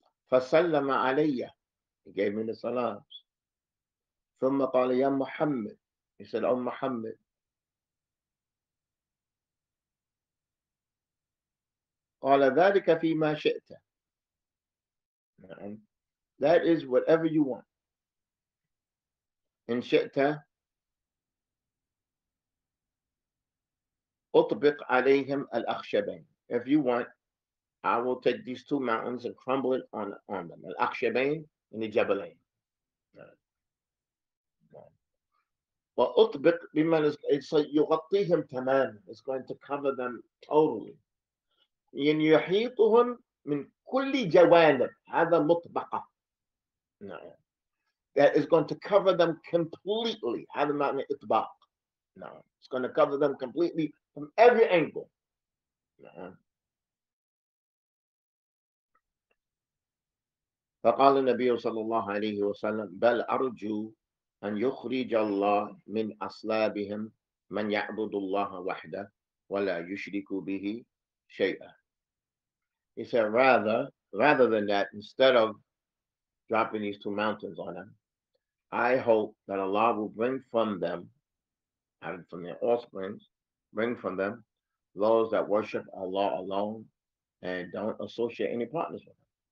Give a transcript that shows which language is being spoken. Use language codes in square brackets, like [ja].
[ar] فسلم علي, [en] he gave me the salams. [ar] ثم قال يا محمد, [en] he said, oh Muhammad. [ar] قال ذلك فيما شئت. [en] That is whatever you want. [ar] إن شئت أطبق عليهم الأخشبين. [en] If you want, I will take these two mountains and crumble it on them. [ar] الأخشبين and the جبلين. وأطبق بما يغطيهم تماما. [en] It's going to cover them totally. [ar] إن يحيطهم من كل جوانب. هذا مطبقة. [en] That is going to cover them completely. [ar] هذا معنى إطباق. [en] It's going to cover them completely from every angle. [ar] فقال النبي صلى الله عليه وسلم بل أرجو أن يخرج الله من أصلابهم من يعبد الله وحده ولا يشرك به شيئا. [en] He said, rather than that, instead of dropping these two mountains on them, I hope that Allah will bring from them, from their offsprings, bring from them those that worship Allah alone and don't associate any partners with them.